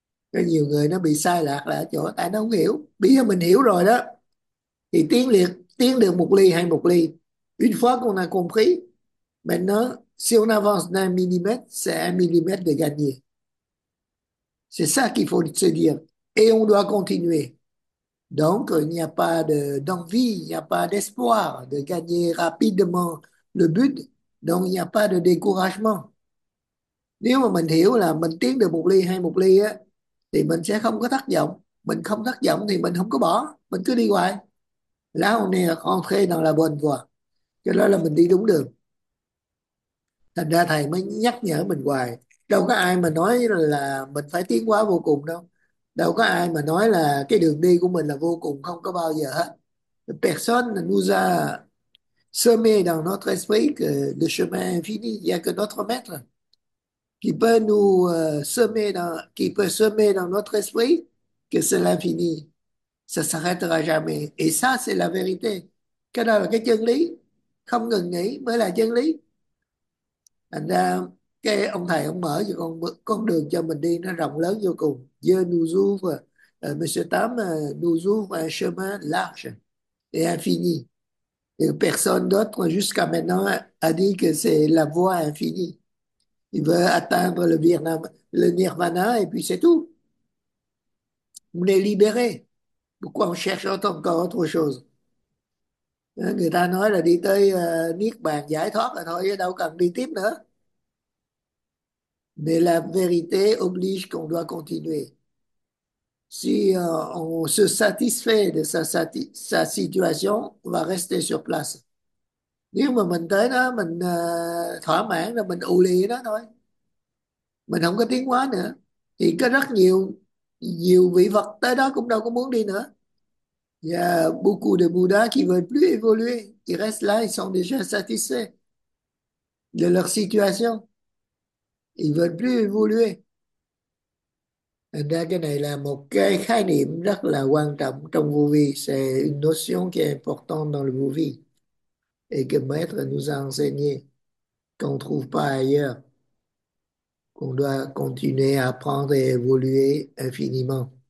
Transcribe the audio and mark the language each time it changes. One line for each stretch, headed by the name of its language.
Vietnamese: Et nhiều người nó bị sai lạc là ở chỗ, tại nó không hiểu. Bây giờ mình hiểu rồi đó, thì tiến được một ly hay một ly.
French: Une fois qu'on a compris, maintenant, si on avance d'un millimètre, c'est un millimètre de gagné. C'est ça qu'il faut se dire. Et on doit continuer. Donc, il n'y a pas d'envie, il n'y a pas d'espoir de gagner rapidement le but. Donc, il n'y a pas de découragement.
Vietnamese: Nếu mà mình hiểu là mình tiến được một ly hay một ly á, thì mình sẽ không có thất vọng. Mình không thất vọng thì mình không có bỏ, mình cứ đi hoài.
French: Là on est rentré dans la bonne voie.
Vietnamese: Cho đó là mình đi đúng đường. Thành ra thầy mới nhắc nhở mình hoài. Đâu có ai mà nói là mình phải tiến hóa vô cùng đâu. Đâu có ai mà nói là cái đường đi của mình là vô cùng, không có bao giờ hết.
French: Personne nous a semé dans notre esprit que le chemin infini, il n'y a que notre maître qui peut semer dans notre esprit que c'est l'infini. Ça s'arrêtera jamais. Et ça, c'est la vérité.
Vietnamese: Cái đó là cái chân lý. Không ngừng nghỉ mới là chân lý. Thành ra cái ông thầy ông mở cho con đường cho mình đi nó rộng lớn vô cùng.
French: Dieu nous ouvre, Monsieur Tam nous ouvre un chemin large et infini. Et personne d'autre jusqu'à maintenant a dit que c'est la voie infinie. Il veut atteindre le nirvana et puis c'est tout. On est libéré. Pourquoi on cherche encore autre chose?
Vietnamese: Người ta nói là đi tới Niết Bàn giải thoát là thôi, đâu cần đi tiếp nữa.
French: Mais la vérité oblige qu'on doit continuer. Si on se satisfait de sa situation, on va rester sur place.
Vietnamese: Nếu mà mình tới đó, mình thỏa mãn là mình ù lì đó thôi. Mình không có tiến hóa nữa. Thì có rất nhiều nhiều vị Phật tới đó cũng đâu có muốn đi nữa.
French: Il y a beaucoup de Bouddhas qui ne veulent plus évoluer. Ils restent là, ils sont déjà satisfaits de leur situation. Ils ne veulent plus évoluer.
Vietnamese: Thành ra cái này là một cái khái niệm rất là quan trọng trong vô vi,
French: c'est une notion qui est importante dans le vô vi et que maître nous a enseigné, qu'on ne trouve pas ailleurs, qu'on doit continuer à apprendre et évoluer infiniment.